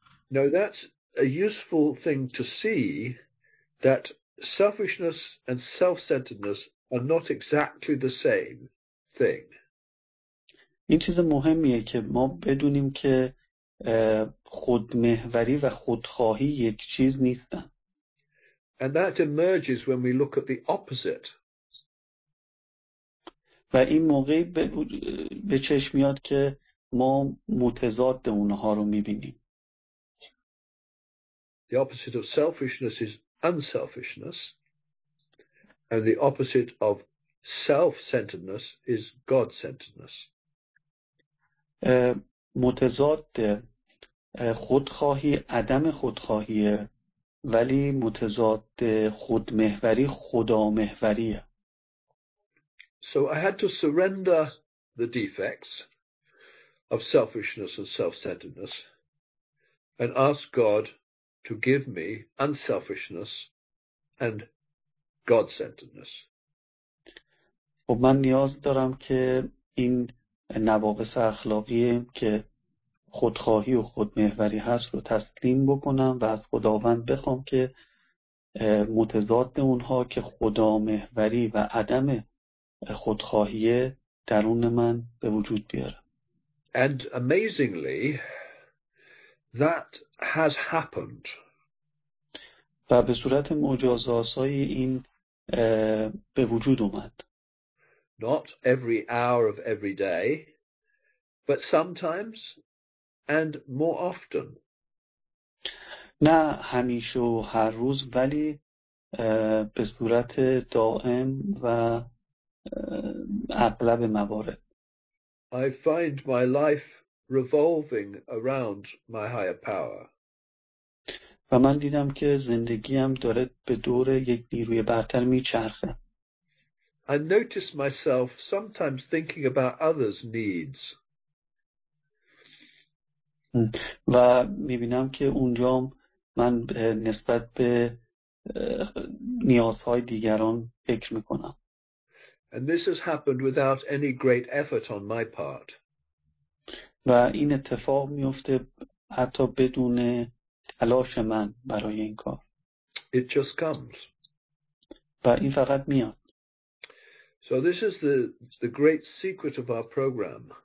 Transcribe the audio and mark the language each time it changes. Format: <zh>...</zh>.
<en>Now that's a useful thing to see that selfishness and self-centeredness are not exactly the same thing.</en> <fa>این چیز مهمیه که ما بدونیم که خودمحوری و خودخواهی یک چیز نیستن.</fa> <en>And that emerges when we look at the opposite.</en> <fa>و این موقعی به چشم میاد که ما متضاد اونها رو میبینیم.</fa> <en>The opposite of selfishness is unselfishness, and the opposite of self-centeredness is God-centeredness.</en> <fa>متضاد خودخواهی عدم خودخواهیه، ولی متضاد خودمحوری خدامحوریه.</fa> <en>So I had to surrender the defects of selfishness and self-centeredness and ask God to give me unselfishness and God-centeredness.</en> <fa>و من نیاز دارم که این نواقص اخلاقیه که خودخواهی و خودمحوری هست رو تسلیم بکنم و از خداوند بخوام که متضاد اونها که خدامحوری و عدم خودخواهی درون من به وجود بیاره.</fa> <en>And amazingly that has happened.</en> <fa>و به صورت معجزه‌آسای این به وجود اومد.</fa> <en>Not every hour of every day, but sometimes and more often.</en> <fa>نه همیشه و هر روز، ولی به صورت دائم و اغلب موارد.</fa> <en>I find my life revolving around my higher power.</en> <fa>و من دیدم که زندگیم داره به دور یک نیروی برتر میچرخه.</fa> <en>I notice myself sometimes thinking about others' needs.</en> <fa>و میبینم که اونجا من نسبت به نیازهای دیگران فکر میکنم.</fa> <en>And this has happened without any great effort on my part.</en> <fa>و این اتفاق میفته حتی بدون تلاش من برای این کار.</fa> <en>It just comes.</en> <fa>و این فقط میاد.</fa> <en>So this is the great secret of our program.</en>